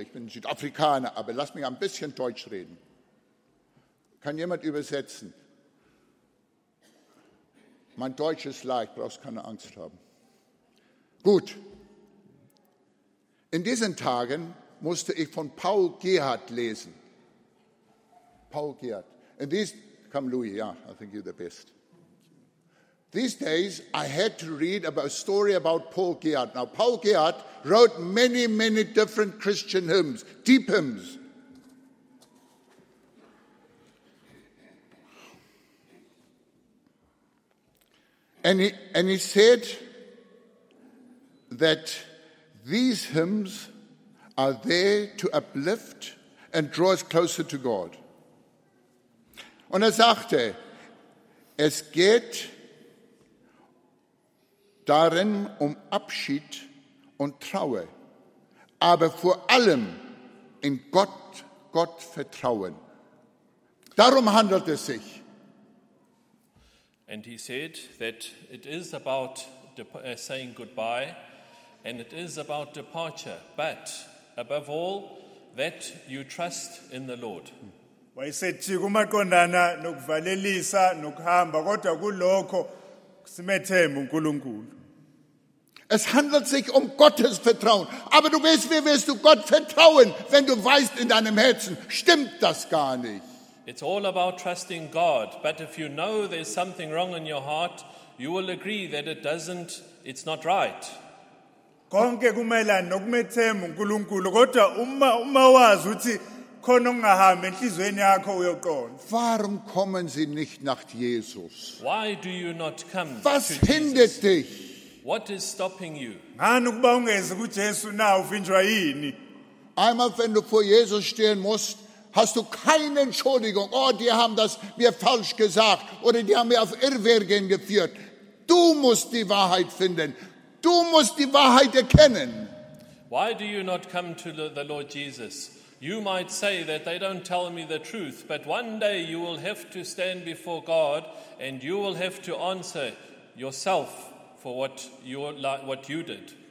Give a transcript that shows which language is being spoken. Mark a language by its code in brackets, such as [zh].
[de] Ich bin Südafrikaner, aber lass mich ein bisschen Deutsch reden. Kann jemand übersetzen? Mein Deutsch ist leicht, brauchst keine Angst haben. Gut. In diesen Tagen musste ich von Paul Gerhardt lesen. Paul Gerhardt. [en] And these, come Louis, yeah, I think you're the best. These days, I had to read about a story about Paul Gerhardt. Now, Paul Gerhardt wrote many, many different Christian hymns, deep hymns. And he said that these hymns are there to uplift and draw us closer to God. [de] Und sagte, es geht darin Abschied und Trauer, aber vor allem in Gott Vertrauen. Darum handelt es sich. [en] And he said that it is about saying goodbye and it is about departure, but above all, that you trust in the Lord. And it [de] handelt sich Gottes Vertrauen. Aber du weißt, wie wirst du Gott vertrauen, wenn du weißt in deinem Herzen, stimmt das gar nicht. [en] It's all about trusting God. But if you know there's something wrong in your heart, you will agree that it's not right. [zu] konke kumelana nokumethemba uNkulunkulu kodwa uma wazi ukuthi khona ongahamba enhlizweni yakho uyoqonda. [de] Warum kommen Sie nicht nach Jesus? [en] Why do you not come? [de] Was hindert dich? [en] What is stopping you? [zu] Ngani ukuba ungeze kuJesu na uvinjwa yini? [de] Einmal wenn du vor Jesus stehen musst, hast du keine Entschuldigung. Oh, die haben das mir falsch gesagt oder die haben mir auf Irrwegen geführt. Du musst die Wahrheit finden. Du musst die Wahrheit erkennen. [en] Why do you not come to the Lord Jesus? You might say that they don't tell me the truth, but one day you will have to stand before God and you will have to answer yourself for what you did.